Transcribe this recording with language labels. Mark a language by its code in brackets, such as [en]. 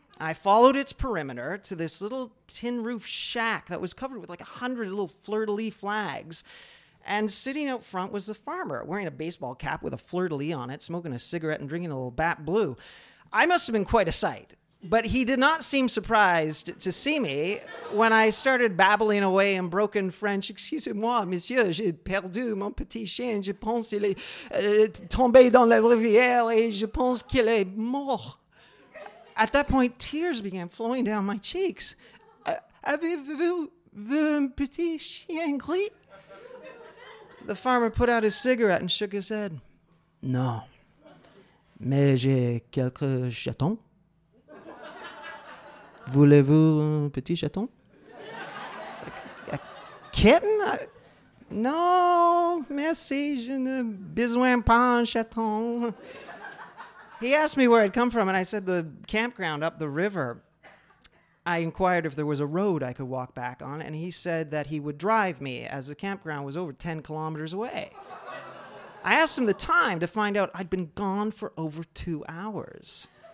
[en] I followed its perimeter to this little tin roof shack that was covered with like 100 little fleur-de-lis flags. And sitting out front was the farmer, wearing a baseball cap with a fleur-de-lis on it, smoking a cigarette and drinking a little Bat Blue. I must have been quite a sight, but he did not seem surprised to see me when I started babbling away in broken French. [fr] Excusez-moi, monsieur, j'ai perdu mon petit chien. Je pense qu'il est tombé dans la rivière et je pense qu'il est mort. [en] At that point, tears began flowing down my cheeks. [fr] Avez-vous vu un petit chien gris? [en] The farmer put out his cigarette and shook his head. [fr] Non. Mais j'ai quelques chatons. Voulez-vous un petit chaton? [en] A kitten? [fr] Non, merci, je ne besoin pas un chaton. [en] He asked me where I'd come from, and I said the campground up the river. I inquired if there was a road I could walk back on, and he said that he would drive me, as the campground was over 10 kilometers away. I asked him the time to find out I'd been gone for over 2 hours.